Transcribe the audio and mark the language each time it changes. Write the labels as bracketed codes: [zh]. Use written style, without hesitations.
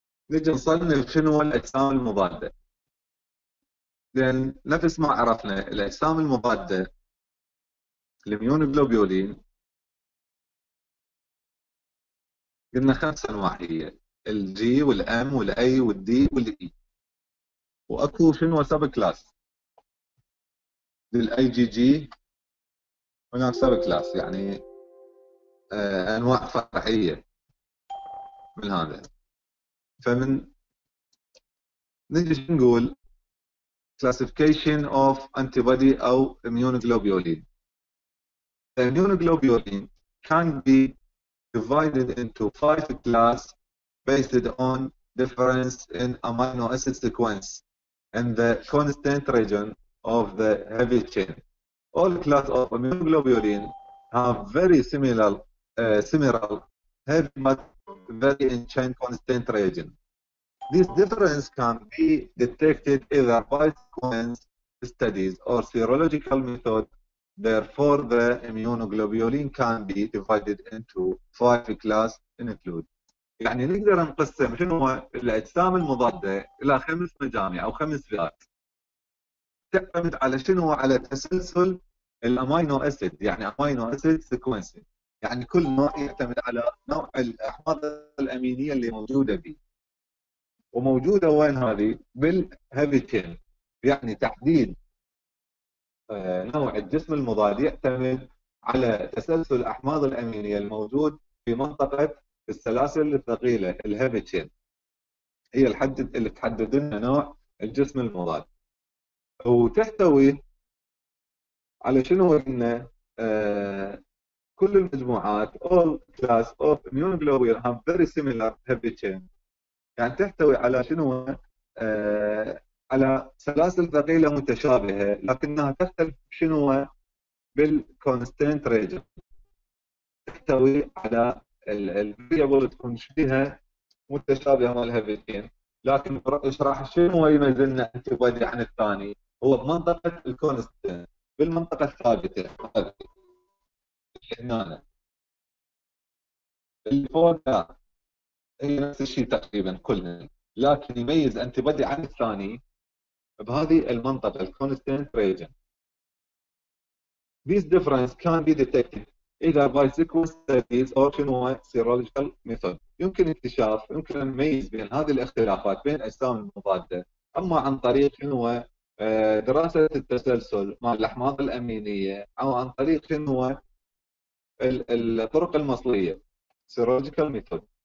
[ar] نجي نصنف شنو الأجسام المضادة، لأن نفس ما عرفنا الأجسام المضادة الميونوغلوبيولين قلنا خمسة أنواع هي الجي والأم والأي والدي والإي، وأكو شنو سب كلاس للأي جي جي، هناك سب كلاس يعني انواع فرعيه من هذا. فمن نجي نقول [en] classification of antibody [ar] او immunoglobulin. [en] The immunoglobulin can be divided into five class based on difference in amino acid sequence and the constant region of the heavy chain. All class of immunoglobulin have very similar similar heavy but very in chain constant region. This difference can be detected either by sequence studies or serological method. Therefore, the immunoglobulin can be divided into five class and include. [ar] يعني نقدر نقسم شنو الأجسام المضادة إلى خمس مجاميع أو خمس فئات. تعتمد على شنو؟ على تسلسل الأمينو أسيد، يعني أمينو أسيد سيكونسينج. يعني كل نوع يعتمد على نوع الأحماض الأمينية اللي موجودة به. وموجودة وين هذه؟ بالهيفي تشين. يعني تحديد نوع الجسم المضاد يعتمد على تسلسل الأحماض الأمينية الموجود في منطقة السلاسل الثقيلة الهيفي تشين، هي الحد اللي تحدد لنا نوع الجسم المضاد. وتحتوي على شنو؟ إن كل المجموعات [en] all class of immune globulin have very similar heavy chain. [ar] يعني تحتوي على شنو؟ على سلاسل ثقيلة متشابهة لكنها تختلف شنو؟ بالconstant region. تحتوي على الفيابل تكون فيها متشابهة مع الهيفي تشين، لكن اشرح شنو يميز لنا انتيبادي عن الثاني؟ هو بمنطقة الكونستنت، بالمنطقة الثابتة هذه هنا اللي فوق هي نفس الشيء تقريبا كلها، لكن يميز انتيبادي عن الثاني بهذه المنطقة الكونستنت ريجن. [en] This difference can be detected either by sequence studies or شنو serological method. [ar] يمكن اكتشاف، يمكن نميز بين هذه الاختلافات بين أجسام المضادة أما عن طريق شنو دراسة التسلسل مع الأحماض الأمينية أو عن طريق شنو الطرق المصلية serological method.